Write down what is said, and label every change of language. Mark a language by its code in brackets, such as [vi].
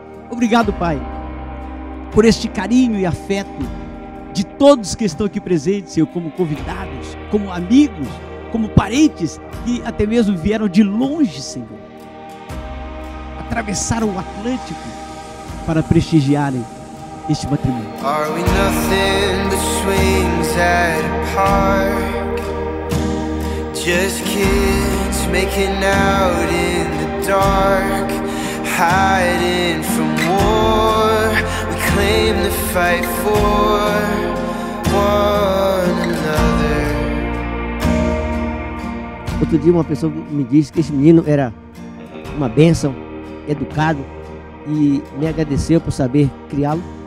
[pt] Obrigado, Pai, por este carinho e afeto de todos que estão aqui presentes, Senhor, como convidados, como amigos, como parentes, que até mesmo vieram de longe, Senhor. Atravessaram o Atlântico para prestigiarem este matrimônio. [en] Are we nothing but swings at a park? Just kids making out in the dark, hiding from war. We claim the fight for one another. [pt] Outro dia, uma pessoa me disse que esse menino era uma bênção, educado, e me agradeceu por saber criá-lo.